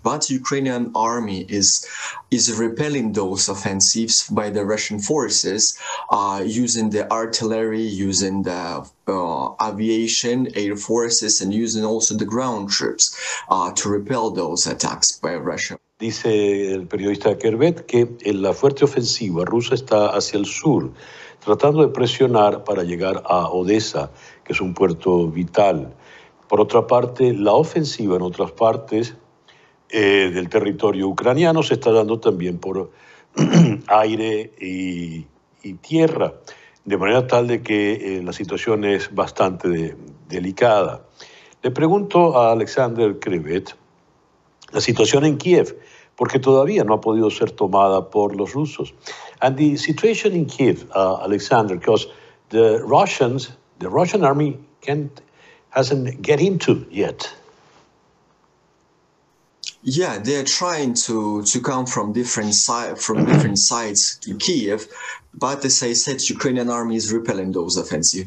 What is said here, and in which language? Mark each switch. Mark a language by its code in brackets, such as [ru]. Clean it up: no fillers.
[en] But Ukrainian army is repelling those offensives by the Russian forces using the artillery, using the aviation, air forces, and using also the ground troops to repel those attacks by Russia. [es] Dice el periodista Khrebet que en la fuerte ofensiva rusa está hacia el sur, tratando de presionar para llegar a Odessa, que es un puerto vital. Por otra parte, la ofensiva en otras partes del territorio ucraniano se está dando también por aire y tierra, de manera tal de que la situación es bastante delicada. Le pregunto a Alexander Khrebet la situación en Kiev, porque todavía no ha podido ser tomada por los rusos. [en] And the situation in Kiev, Alexander, because the Russian army hasn't get into yet. Yeah, they are trying to come from different sides to Kiev, but as I said, Ukrainian army is repelling those offensive.